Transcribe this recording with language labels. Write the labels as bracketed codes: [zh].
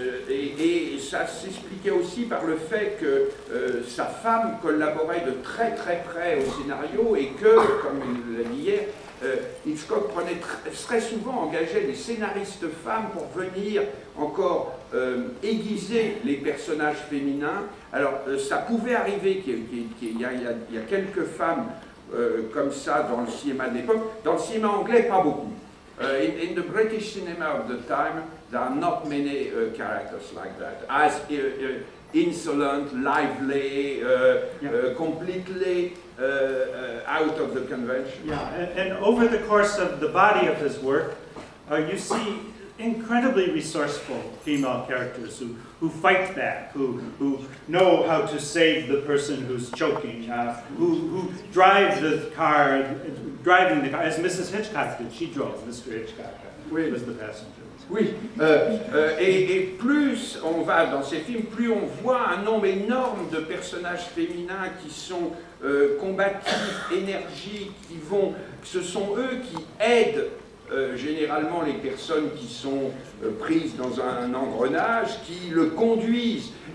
[fr] Et ça s'expliquait aussi par le fait que sa femme collaborait de très très près au scénario et que, comme il l'a dit hier, Hitchcock prenait très souvent engagé des scénaristes femmes pour venir encore aiguiser les personnages féminins. Alors ça pouvait arriver qu'il y a quelques femmes comme ça dans le cinéma de l'époque. Dans le cinéma anglais, pas beaucoup. [en] In the British cinema of the time, there are not many characters like that. As insolent, lively, completely out of the convention. Yeah, and over the course of the body of his work, you see incredibly resourceful female characters who fight back, who know how to save the person who's choking, who drive the car, driving the car, as Mrs. Hitchcock did. She drove Mr. Hitchcock, oui, was the passenger. [fr] Oui, et plus on va dans ces films, plus on voit un nombre énorme de personnages féminins qui sont combatifs, énergiques, qui vont, ce sont eux qui aident généralement les personnes qui sont prises dans un engrenage, qui le conduisent.